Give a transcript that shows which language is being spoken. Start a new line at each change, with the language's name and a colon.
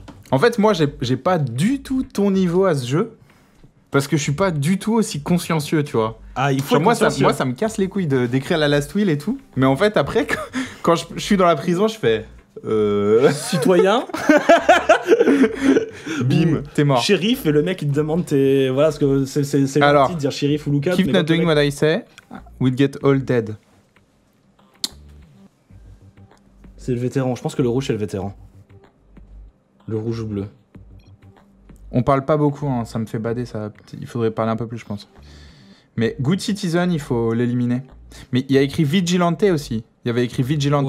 French: En fait, moi, j'ai pas du tout ton niveau à ce jeu. Parce que je suis pas du tout aussi consciencieux, tu vois. Ah, il faut être consciencieux. Moi, ça me casse les couilles d'écrire la last will et tout. Mais en fait, après, quand je suis dans la prison, je fais... Citoyen. Bim, t'es mort. Shérif, et le mec, il te demande tes... Voilà, parce que c'est gentil de dire shérif ou Lucas.
English: Keep not doing what I say, we'll get all dead.
French: C'est le vétéran. Je pense que le rouge, c'est le vétéran. Le rouge ou bleu. On parle pas beaucoup, hein. Ça me fait bader. Ça... Il faudrait parler un peu plus, je pense. Mais Good Citizen, il faut l'éliminer. Mais il y a écrit Vigilante aussi. Il y avait écrit Vigilante.